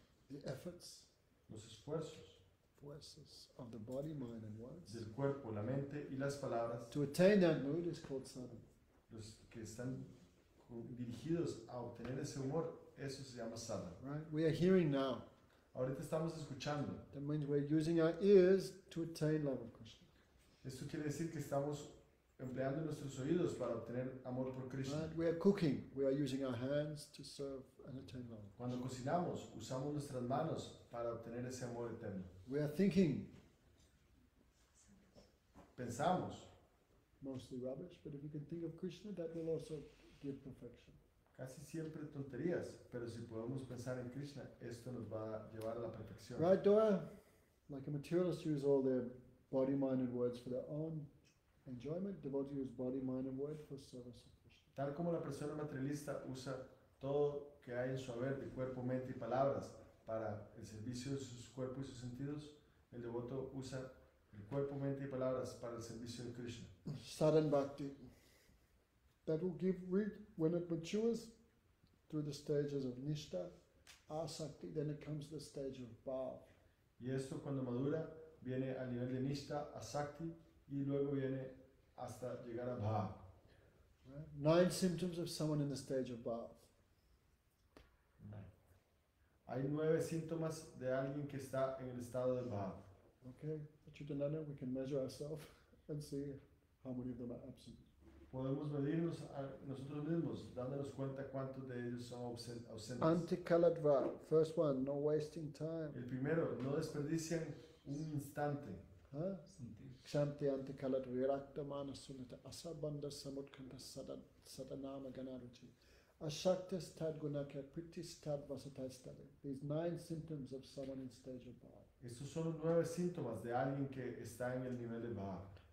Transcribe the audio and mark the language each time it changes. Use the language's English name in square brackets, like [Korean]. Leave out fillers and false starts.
[English] The efforts. [Spanish] Los esfuerzos. [English] Forces of the body, mind, and words. [Spanish] Del cuerpo, la mente y las palabras. [English] To attain that mood is called sadhana. [Spanish] Los que están dirigidos a obtener ese humor, eso se llama sadhana. [English] Right? We are hearing now. [Spanish] Ahorita estamos escuchando. [English] That means we're using our ears to attain love of Krishna. [Spanish] Esto quiere decir que estamos empleando nuestros oídos para obtener amor por Krishna. [English] Right? We are cooking. We are using our hands to serve and attain love. [Spanish] Cuando cocinamos, usamos nuestras manos para obtener ese amor eterno. [English] We are thinking. [Spanish] Pensamos. [English] Mostly rubbish, but if you can think of Krishna, that will also give perfection. [Spanish] Casi siempre tonterías, pero si podemos pensar en Krishna, esto nos va a llevar a la perfección. [English] Right, Dora? Like a materialist use all their body, mind, and words for their own enjoyment, devotees use body, mind, and words for service of Krishna. [Spanish] Tal como la persona materialista usa todo que hay en su haber de cuerpo, mente y palabras para el servicio de sus cuerpos y sus sentidos, el devoto usa el cuerpo, mente y palabras para el servicio de Krishna. Sadhan bhakti. [English] That will give root when it matures through the stages of nishta, asakti, then it comes to the stage of bhav. [Spanish] Y esto cuando madura viene al nivel de nishta, asakti, y luego viene hasta llegar a bhav. [English] Nine symptoms of someone in the stage of bhav. [Spanish] Hay nueve síntomas de alguien que está en el estado de bhav. [English] Okay. Chitananda, we can measure ourselves and see how many of them are absent. [Spanish] Podemos medirnos a nosotros mismos, dándonos cuenta cuántos de ellos son ausentes. [English] Antikaladva, first one, no wasting time. [Spanish] El primero, no desperdician un instante. [Sanskrit] Kshanti antikaladva, virakta mana sunita, asabanda samutkanta sadanama ganaruchi. Ashaktis tadgunakya, pritis tadvasatastali. [English] These nine symptoms of someone in stage of bhava. [Spanish] Estos son los nueve síntomas de alguien que está en el nivel de bhava.